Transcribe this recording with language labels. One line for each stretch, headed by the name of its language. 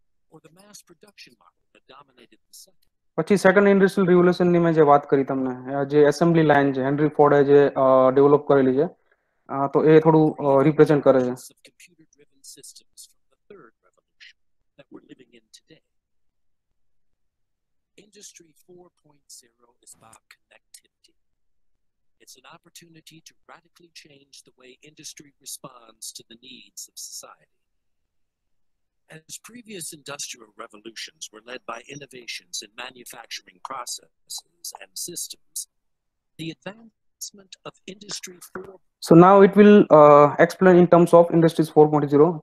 English: Or the mass production model that dominated the second.
Gujarati: પછી second industrial revolution ની મેં જે વાત કરી તમને જે એસેમ્બલી લાઈન છે હેનરી ફોર્ડ એ જે ડેવલપ કરેલી છે તો એ થોડું રિપ્રેઝન્ટ કરે છે
English: Computer driven systems from the third revolution that we are living in today industry 4.0 is about connectivity it's an opportunity to radically change the way industry responds to the needs of society As previous industrial revolutions were led by innovations in manufacturing processes and systems, the advancement of industry 4.0. So now it will explain in terms of industries 4.0.